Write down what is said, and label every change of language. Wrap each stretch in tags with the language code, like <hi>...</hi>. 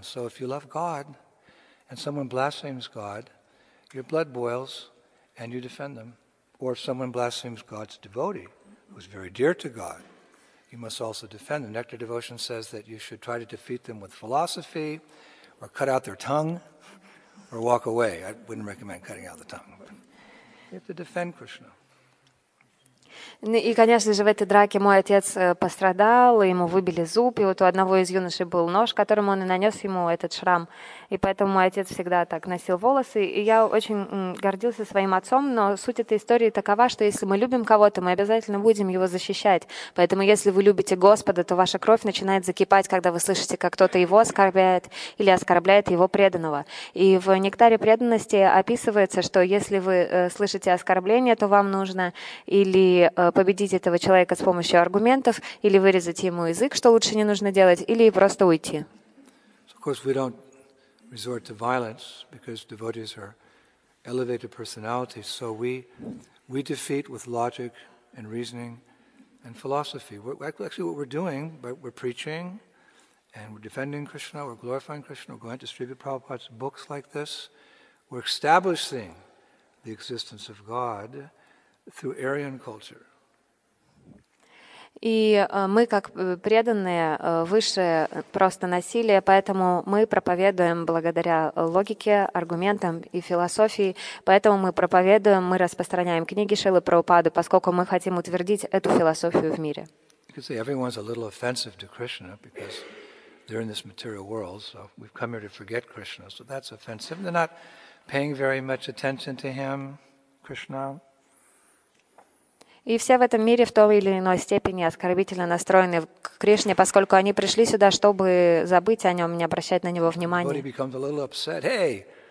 <en>So if you love God and someone blasphemes God, your blood boils and you defend them. Or if someone blasphemes God's devotee, who's very dear to God, you must also defend them. Nectar Devotion says that you should try to defeat them with philosophy, or cut out their tongue, or walk away. I wouldn't recommend cutting out the tongue. But you have to defend Krishna.</en> <ru>И, конечно же, в этой драке мой отец пострадал, ему выбили зуб, и вот у одного из юношей был нож, которым он и нанес ему этот шрам. И поэтому мой отец всегда так носил волосы. И я очень гордился своим отцом, но суть этой истории такова, что если мы любим кого-то, мы обязательно будем его защищать. Поэтому если вы любите Господа, то ваша кровь начинает закипать, когда вы слышите, как кто-то его оскорбляет или оскорбляет его преданного. И в «Нектаре преданности» описывается, что если вы слышите оскорбление, то вам нужно или победить этого человека с помощью аргументов, или вырезать ему язык, что лучше не нужно делать, или просто уйти.</ru> <en>Of course, we don't resort to violence because devotees are elevated personalities. So we defeat with logic and reasoning and philosophy. Actually, what we're doing, but we're preaching and we're defending Krishna, we're glorifying Krishna, we're going to distribute Prabhupada's books like this. We're establishing the existence of God through Aryan culture.</en> <ru>И мы, как преданные, выше просто насилия, поэтому мы проповедуем благодаря логике, аргументам и философии, поэтому мы проповедуем, мы распространяем книги Шрилы Прабхупады, поскольку мы хотим утвердить эту философию в мире.</ru> <en>You can say everyone's a little offensive to Krishna because they're in this material world, so we've come here to forget Krishna, so that's offensive. They're not paying very much attention to him, Krishna.</en> <ru>И все в этом мире в той или иной степени оскорбительно настроены к Кришне, поскольку они пришли сюда, чтобы забыть о нем, не обращать на него внимания.</ru>